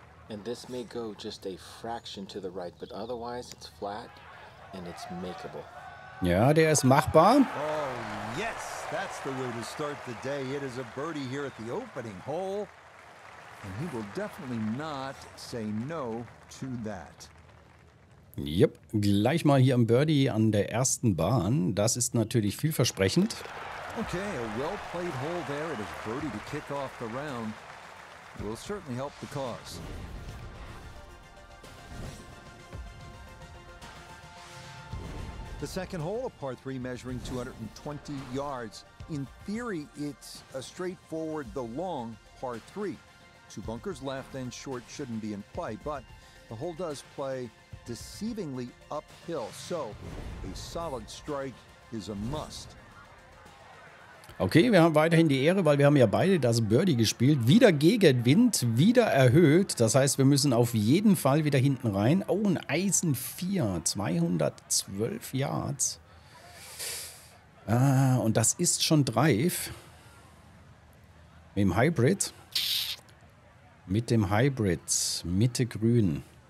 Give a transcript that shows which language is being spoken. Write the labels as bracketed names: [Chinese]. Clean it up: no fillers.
[English] And this may go just a fraction to the right, but otherwise it's flat and it's makeable. [German] Ja, der ist machbar. [English] Oh, yes, that's the way to start the day. It is a birdie here at the opening hole. And he will definitely not say no to that. [German] Yep, gleich mal hier am Birdie an der ersten Bahn. Das ist natürlich vielversprechend. [English] Okay, a well-played hole there. It is birdie to kick off the round. Will certainly help the cause. The second hole, a par 3, measuring 220 yards. In theory, it's a straightforward, the long par 3. Two bunkers left and short shouldn't be in play, but the hole does play deceivingly uphill, so a solid strike is a must. [German] Okay, wir haben weiterhin die Ehre, weil wir haben ja beide das Birdie gespielt. Wieder gegen Wind, wieder erhöht. Das heißt, wir müssen auf jeden Fall wieder hinten rein. Oh, ein Eisen 4, 212 Yards. Und das ist schon Drive. Mit dem Hybrid, Mitte grün.